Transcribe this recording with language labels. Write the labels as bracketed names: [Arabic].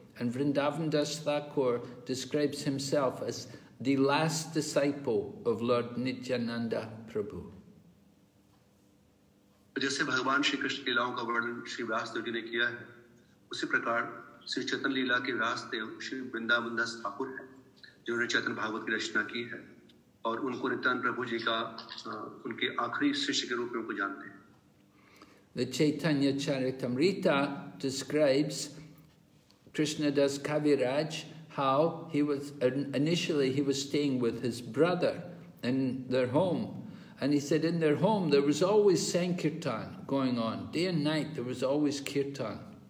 [English] And Vrindavandas Thakur describes himself as the last disciple of Lord Nityananda Prabhu. [Hindi] जिन्होंने चैतन्य भागवत की रचना की है और उनको नित्यानंद प्रभु जी का उनके आखिरी शिष्य के रूप में उनको जानते हैं. [English] The Chaitanya Charitamrita describes Krishnadas Kaviraj, how he was initially he was staying with his brother in their home, and he said in their home there was always sankirtan going on day and night, there was always kirtan.